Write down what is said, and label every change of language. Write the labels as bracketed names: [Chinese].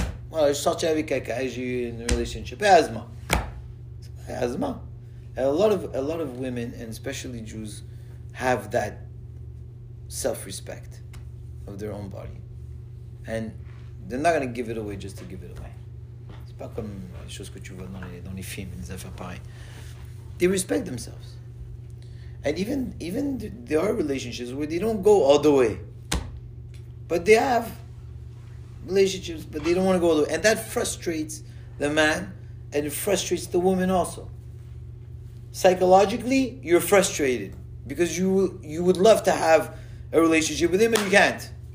[French] Well, je sortais avec quelqu'un, j'ai eu une relationship. Asthma. [English] And a lot of women, and especially Jews, have that self-respect of their own body. And they're not going to give it away just to give it away. [French] Pas comme les choses que tu vois dans les films, les affaires pareilles. [English] They respect themselves. And even there are relationships where they don't go all the way. But they have relationships, but they don't want to go all the way. And that frustrates the man, and it frustrates the woman also. Psychologically, you're frustrated. Because you would love to have a relationship with him, and you can't.